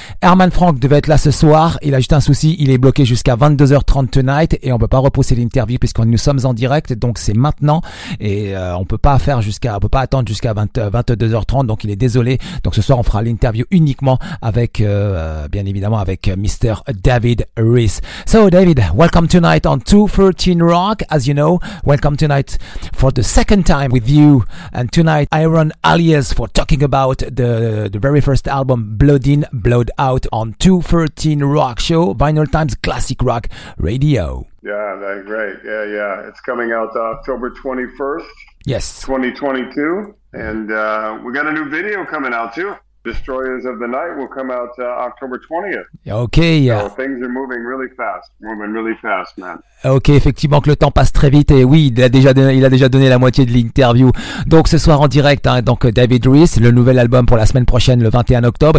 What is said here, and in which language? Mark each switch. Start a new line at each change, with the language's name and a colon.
French: Herman Frank devait être là ce soir, il a juste un souci, il est bloqué jusqu'à 22h30
English: tonight
French: et on peut pas repousser l'interview puisque nous sommes en direct, donc c'est maintenant et on peut pas attendre jusqu'à 22h30, donc il est désolé. Donc ce soir, on fera l'interview uniquement avec, bien évidemment, avec Mr. David Rees.
English: So David, welcome tonight on 213 Rock, as you know, welcome tonight for the second time with you, and tonight Iron Alias for talking about the very first album Blood In Blood Out on 213 Rock Show, Vinyl Times Classic Rock Radio. Yeah, that's great. Yeah, it's coming out October 21st, yes, 2022, and we got a new video coming out too. Destroyers of the Night will come out October 20th. Okay, yeah. So things are moving really fast, man.
French: Okay, effectivement que le temps passe très vite. Et oui, il a déjà donné la moitié de l'interview. Donc ce soir en direct, hein, donc David Rees, le nouvel album pour la semaine prochaine, le 21 octobre.